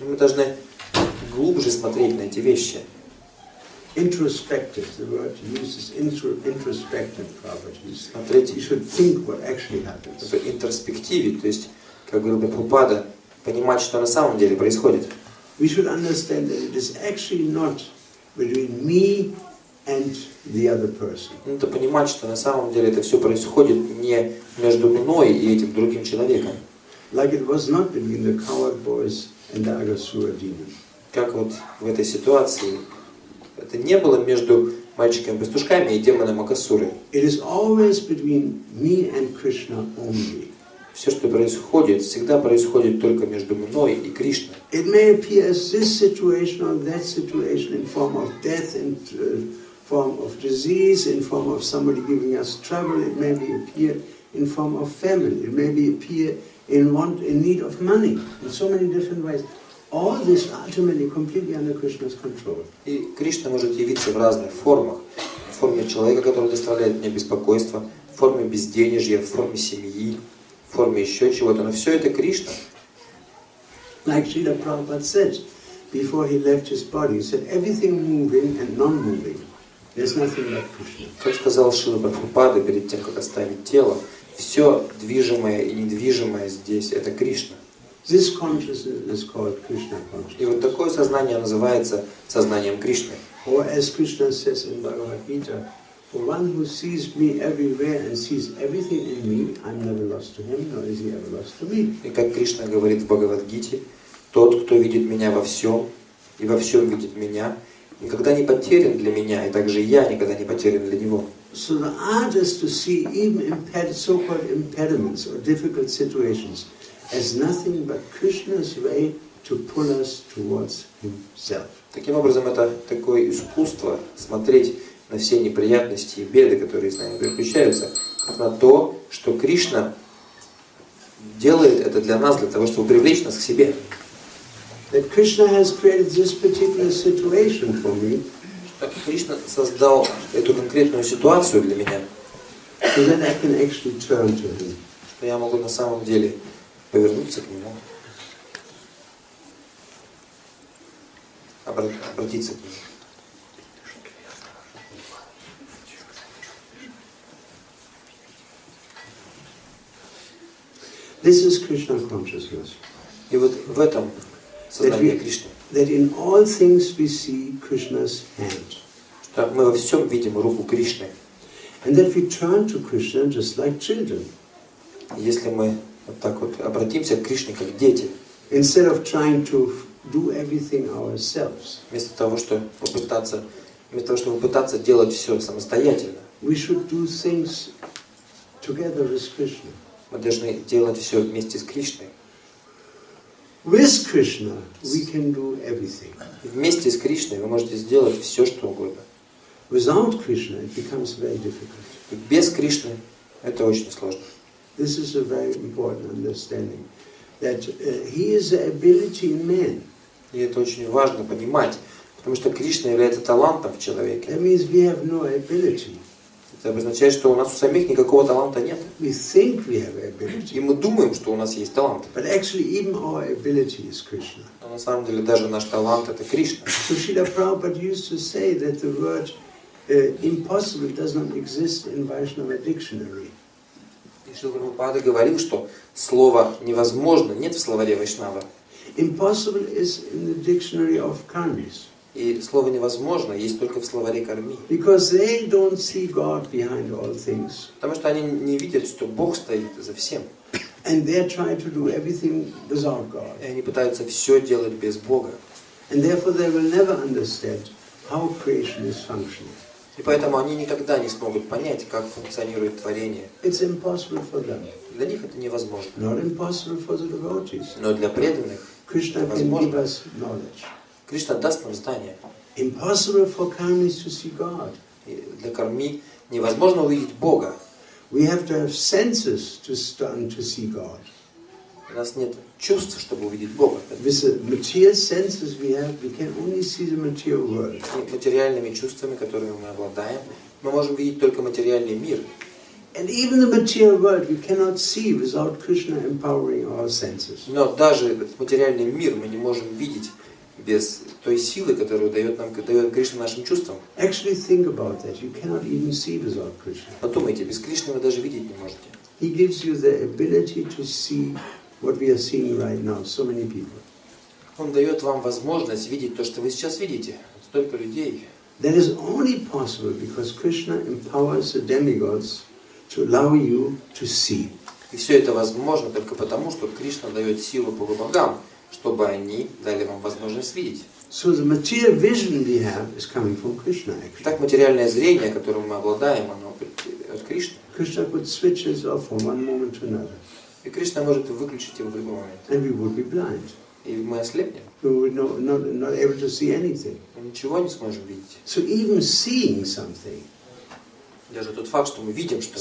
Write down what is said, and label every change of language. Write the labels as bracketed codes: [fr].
[ru] Мы должны глубже смотреть на эти вещи. [en] Introspective. The word uses introspective properties. [ru] Смотрите. [en] You should think what actually happens. [ru] В интроспективе, то есть, как говорил Прабхупада, понимать, что на самом деле происходит. [en] We should understand that it is actually not between me and the other person. [ru] Надо понимать, что на самом деле это все происходит не между мной и этим другим человеком. [en] Like it was not between the coward boys and the Agasura demon. [ru] Как вот в этой ситуации это не было между мальчиками-пастушками и демоном Агасуры. [en] It is always between me and Krishna only. [ru] Все, что происходит, всегда происходит только между мной и Кришной. [en] It may appear as this situation or that situation in form of death and form of disease, in form of somebody giving us trouble, it may be appear in form of family, it may be appear in want, in need of money, in so many different ways. All this ultimately completely under Krishna's control. [ru] И Кришна может явиться в разных формах. В форме человека, который доставляет мне беспокойство, в форме безденежья, в форме семьи, в форме еще чего-то. Но все это Кришна. [en] Like Srila Prabhupada said, before he left his body, he said, everything moving and non-moving. There's nothing like Krishna. [ru] Как сказал Шрила Прабхупада перед тем, как оставить тело, все движимое и недвижимое здесь — это Кришна. [en] This consciousness is called Krishna consciousness. [ru] И вот такое сознание называется сознанием Кришны. [en] Or as Krishna says in Bhagavad Gita, for one who sees me everywhere and sees everything in me, I'm never lost to him, nor is he ever lost to me. [ru] И как Кришна говорит в Бхагавад Гите, тот, кто видит меня во всем и во всем видит меня, никогда не потерян для меня, и также я никогда не потерян для него. [en] So the art is to see even so-called impediments or difficult situations as nothing but Krishna's way to pull us towards himself. [ru] Таким образом, это такое искусство смотреть на все неприятности и беды, которые с нами приключаются, как на то, что Кришна делает это для нас, для того, чтобы привлечь нас к себе. [en] that Krishna has created this particular situation for me. [ru] Кришна создал эту конкретную ситуацию для меня. [en] So that I can actually turn to him. [ru] Что я могу на самом деле повернуться к нему. Обратиться к нему. [en] This is Krishna consciousness. [ru] И вот в этом сознание Кришны. [en] That in all things we see Krishna's hand. [ru] Что мы во всем видим руку Кришны. [en] And that we turn to Krishna just like children. [ru] Если мы вот так вот обратимся к Кришне как дети. [en] Instead of trying to do everything ourselves. [ru] Вместо того, чтобы пытаться делать все самостоятельно. [en] We should do things together with Krishna. [ru] Мы должны делать все вместе с Кришной. [en] With Krishna we can do everything. [ru] Вместе с Кришной вы можете сделать все, что угодно. [en] Without Krishna it becomes very difficult. [ru] И без Кришны это очень сложно. [en] This is a very important understanding that he is the ability in man. [ru] И это очень важно понимать, потому что Кришна является талантом в человеке. [en] That means we have no ability. [ru] Это обозначает, что у нас у самих никакого таланта нет. [en] We think we have ability. [ru] И мы думаем, что у нас есть талант. [en] But actually, even our ability is Krishna. [ru] Но на самом деле даже наш талант это Кришна. [en] So Srila Prabhupada used to say that the word impossible does not exist in Vaishnava dictionary. [ru] И Шрила Прабхупада говорил, что слово невозможно нет в словаре Вайшнава. [en] Impossible is in the dictionary of karmis. [ru] И слово невозможно есть только в словаре карми. [en] Because they don't see God behind all things. [ru] Потому что они не видят, что Бог стоит за всем. [en] And they're trying to do everything without God. [ru] И они пытаются все делать без Бога. [en] And therefore they will never understand how creation is functioning. [ru] И поэтому они никогда не смогут понять, как функционирует творение. [en] It's impossible for them. [ru] Для них это невозможно. [en] Not impossible for the devotees. [ru] Но для преданных Krishna возможно. [en] Can give us knowledge. [ru] Кришна даст нам знания. [en] Impossible for karmis to see God. [ru] Для карми невозможно увидеть Бога. [en] We have to have senses to start to see God. [ru] У нас нет чувств, чтобы увидеть Бога. [en] With the material senses we have, we can only see the material world. [ru] Материальными чувствами, которыми мы обладаем, мы можем видеть только материальный мир. [en] And even the material world we cannot see without Krishna empowering our senses. [ru] Но даже этот материальный мир мы не можем видеть без той силы, которую дает нам Кришна нашим чувствам. [en] Actually think about that. You cannot even see without Krishna. [ru] Подумайте, без Кришны вы даже видеть не можете. [en] He gives you the ability to see what we are seeing right now. So many people. [ru] Он дает вам возможность видеть то, что вы сейчас видите. Столько людей. [en] That is only possible because Krishna empowers the demigods to allow you to see. [ru] И все это возможно только потому, что Кришна дает силу полубогам, чтобы они дали вам возможность видеть. [en] So the material vision we have is coming from Krishna, actually. [ru] Так материальное зрение, которым мы обладаем, оно от Кришны. [en] Krishna could switch it off from one moment to another. [ru] И Кришна может выключить его в любой момент. [en] And we would be blind. [ru] И мы ослепнем. [en] We would not able to see anything. [ru] Мы ничего не сможем видеть. [en] So even seeing something. [ru] Даже тот факт, что мы видим что-то.